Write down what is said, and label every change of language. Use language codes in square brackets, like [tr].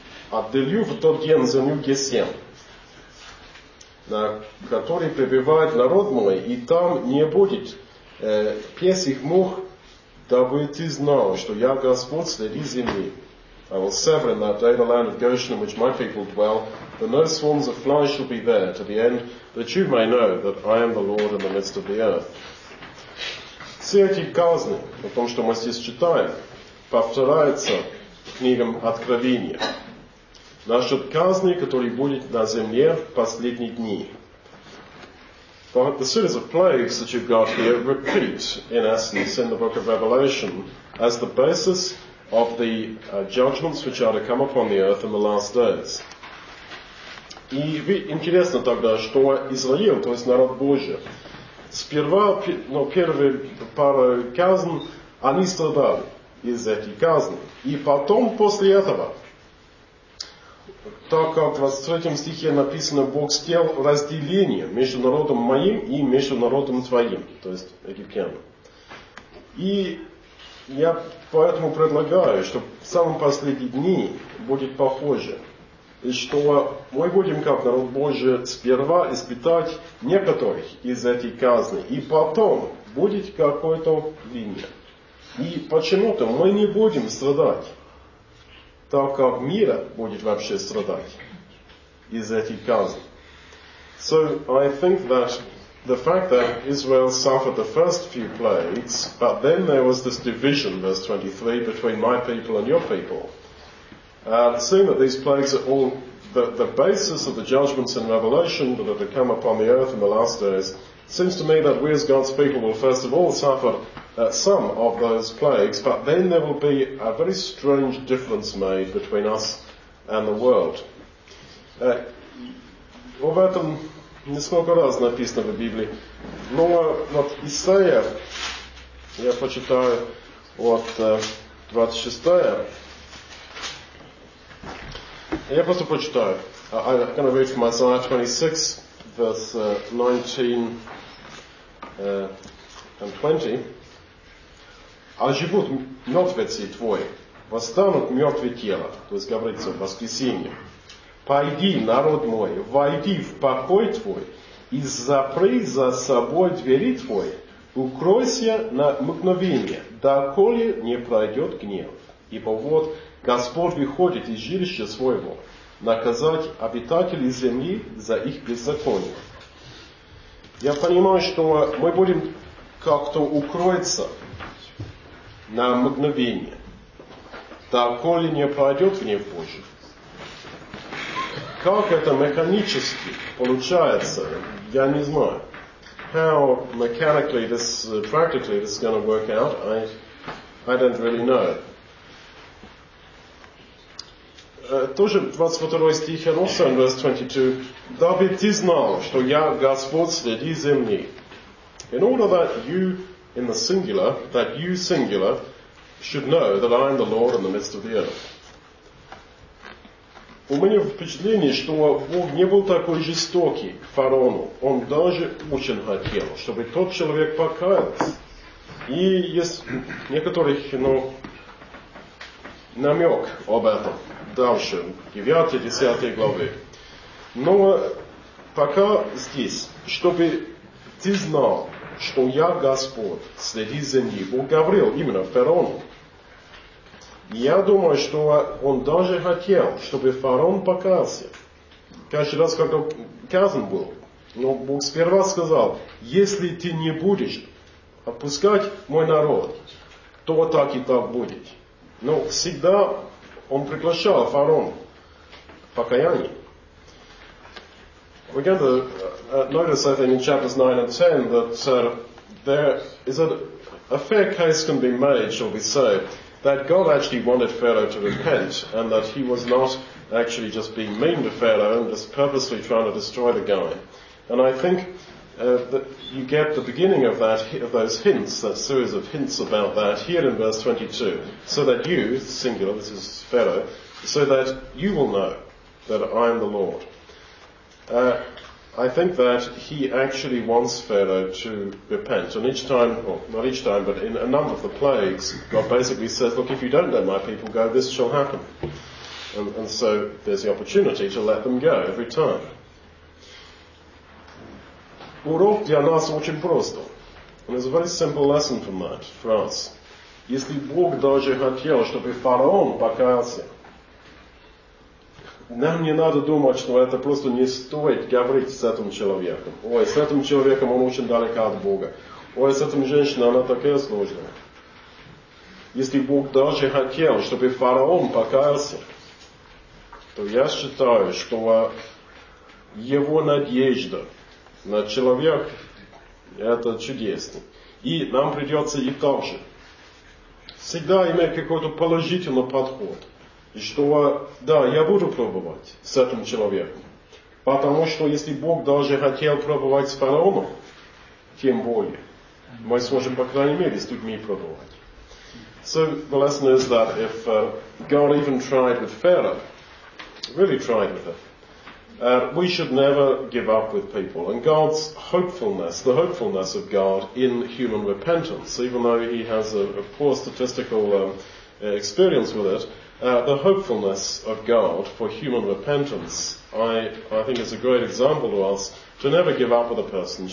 [ru] Отделю в тот день землю Гесем, на которой пребывает народ мой, и там не будет песих мух, дабы ты знал, что я Господь среди земли. [en] I will sever in that day the land of Goshen in which my people dwell, that no swarms of flies shall be there, to the end, that you may know that I am the Lord in the midst of the earth. [ru] Все эти казни, о том, что мы здесь читаем, повторяется книгам Откровения. Насчет казни, который будет на земле в последние дни. [en] But the series of plagues that you've got here repeat, in essence, in the book of Revelation as the basis of the judgments which are to come upon the earth in the last days. [ru] И интересно тогда, что Израил, то есть народ Божий, сперва, ну, первые пару казней, они страдали из этих казней. И потом, после этого, так как в 23 стихе написано, Бог сделал разделение между народом моим и между народом твоим, то есть египтянам. И я поэтому предлагаю, что в самом последние дни будет похоже, и что мы будем, как народ Божий, сперва испытать некоторых из этих казней, и потом будет какое-то линия. И почему-то мы не будем страдать, так как мир будет вообще страдать из этих казней. [en] So I think that the fact that Israel suffered the first few plagues, but then there was this division, verse 23, between my people and your people. Seeing that these plagues are all the basis of the judgments in Revelation that are to come upon the earth in the last days, seems to me that we as God's people will first of all suffer some of those plagues, but then there will be a very strange difference made between us and the world. [ru] Об этом несколько раз написано в Библии. Но вот Исаия, я почитаю вот 26-я. Я просто почитаю. [en] I'm going to read from Isaiah 26, verse 19 and 20. [ru] А живут мертвецы твои, восстанут мертвые тела, то есть говорится в воскресенье. Пойди, народ мой, войди в покой твой и запри за собой двери твои, укройся на мгновение, доколе не пройдет гнев. Ибо вот Господь выходит из жилища своего, наказать обитателей земли за их беззаконие. Я понимаю, что мы будем как-то укроиться на мгновение, доколе не пойдет в гнев Божий. Как это механически получается, я не знаю. [en] How mechanically this, practically this is going to work out, I don't really know. [ru] Тоже 22 стих, [en] and also in verse 22, [ru] дабы ты знал, что я Господь среди земли. [en] In order that you, in the singular, that you singular, should know that I am the Lord in the midst of the earth. [ru] У меня впечатление, что Бог не был такой жестокий к фараону. Он даже очень хотел, чтобы тот человек покаялся. И есть некоторых, ну, намек об этом дальше, 9-10 главы. Но пока здесь, чтобы ты знал, что я Господь среди земли, Бог говорил именно фараону. Я думаю, что он даже хотел, чтобы фараон покаялся. Каждый раз, когда казнь был, но Бог сперва сказал, если ты не будешь отпускать мой народ, то так и так будет. Но всегда он приглашал фараон покаяние. [en] We're going to notice, I think, in chapters 9 and 10, that there is a fair case can be made, shall we say, that God actually wanted Pharaoh to repent, and that he was not actually just being mean to Pharaoh and just purposely trying to destroy the guy. And I think that you get the beginning of that, of those hints, that series of hints about that here in verse 22. So that you, singular, this is Pharaoh, so that you will know that I am the Lord. I think that he actually wants Pharaoh to repent. And each time, well, not each time, but in a number of the plagues, God basically says, look, if you don't let my people go, this shall happen. And so there's the opportunity to let them go every time. [ru] Урок для нас очень прост. [en] And there's a very simple lesson from that for us. [ru] Если Бог даже хотел, чтобы фараон покаялся, нам не надо думать, что это просто не стоит говорить с этим человеком. Ой, с этим человеком он очень далеко от Бога. Ой, с этим женщиной она такая сложная. Если Бог даже хотел, чтобы фараон покаялся, то я считаю, что его надежда на человека это чудесно. И нам придется и так же. Всегда иметь какой-то положительный подход. И что, да, я буду пробовать с этим человеком. Потому что если Бог даже хотел пробовать с фараоном, тем более, мы сможем, по крайней мере, с людьми пробовать. [en] So the lesson is that if God even tried with Pharaoh, really tried with him, we should never give up with people. And God's hopefulness, the hopefulness of God in human repentance, even though he has a poor statistical experience with it, the hopefulness of God for human repentance, I think is a great example to us to never give up with a person.